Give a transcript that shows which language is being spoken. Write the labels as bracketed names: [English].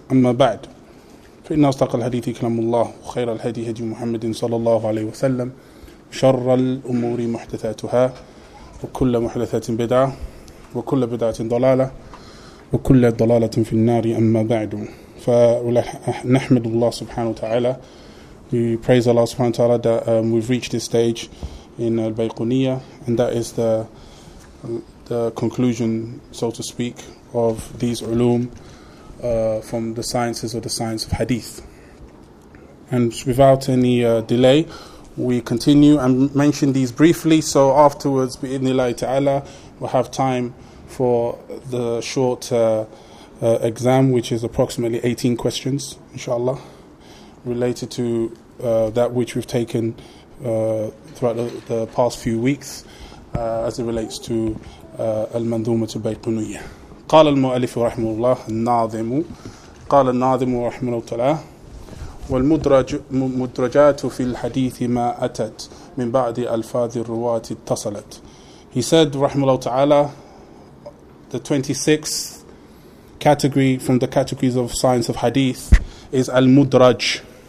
[Arabic] أما بعد، فإن أصدق الحديث كلام الله، وخير الهدي هدي محمد صلى الله عليه وسلم، شر الأمور محدثاتها، وكل محدثة بدعة، وكل بدعة ضلالة، وكل ضلالة في النار. أما بعد، فنحمد الله سبحانه وتعالى. [English] We praise Allah سبحانه وتعالى that we've reached this stage in Al-Bayquniyya, and that is the conclusion, so to speak, of these uloom from the sciences or the science of Hadith. And without any delay, we continue and mention these briefly, so afterwards, bi'idhnillahi ta'ala, we'll have time for the short exam, which is approximately 18 questions, inshallah, related to that which we've taken throughout the past few weeks as it relates to Al-Mandhumatu Bayqunuyya. [Arabic] قال المؤلف رحمه الله الناظم قال الناظم رحمه الله تعالى والمدرجات في الحديث ما أتت من بعد ألفاظ الرواة اتصلت. [English] He said رحمه الله تعالى, the 26th category from the categories of science of hadith is al-mudraj.